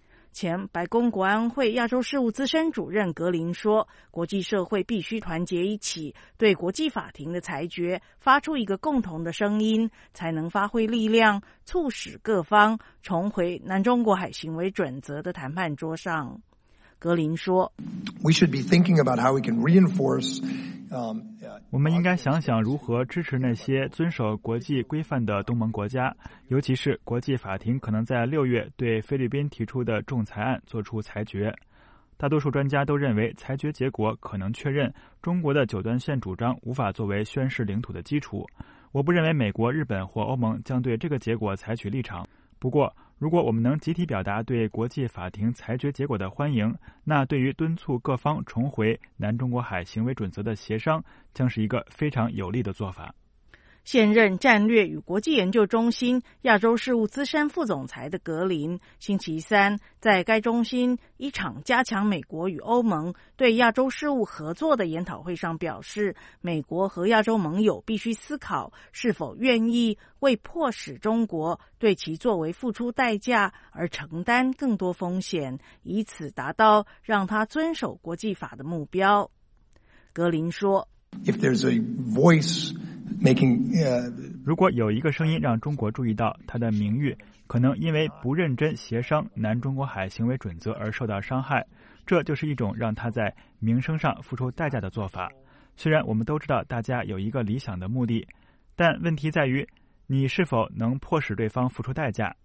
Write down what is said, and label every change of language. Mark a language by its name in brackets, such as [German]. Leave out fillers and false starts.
[Chinese] 前白宫国安会亚洲事务资深主任格林说，国际社会必须团结一起，对国际法庭的裁决发出一个共同的声音，才能发挥力量，促使各方重回南中国海行为准则的谈判桌上。格林说 [English] We should be thinking about how we can reinforce [Chinese] 我们应该想想如何支持那些遵守国际规范的东盟国家，尤其是国际法庭可能在六月对菲律宾提出的仲裁案作出裁决。大多数专家都认为，裁决结果可能确认中国的九段线主张无法作为宣誓领土的基础。我不认为美国、日本或欧盟将对这个结果采取立场。不过，如果我们能集体表达对国际法庭裁决结果的欢迎，那对于敦促各方重回南中国海行为准则的协商将是一个非常有利的做法。现任战略与国际研究中心亚洲事务资深副总裁的格林星期三在该中心一场加强美国与欧盟对亚洲事务合作的研讨会上表示，美国和亚洲盟友必须思考是否愿意为迫使中国对其作为付出代价而承担更多风险，以此达到让他遵守国际法的目标。格林说 [English] If there's a voice making [Chinese] 如果有一个声音让中国注意到他的名誉可能因为不认真协商南中国海行为准则而受到伤害，这就是一种让他在名声上付出代价的做法。虽然我们都知道大家有一个理想的目的，但问题在于你是否能迫使对方付出代价。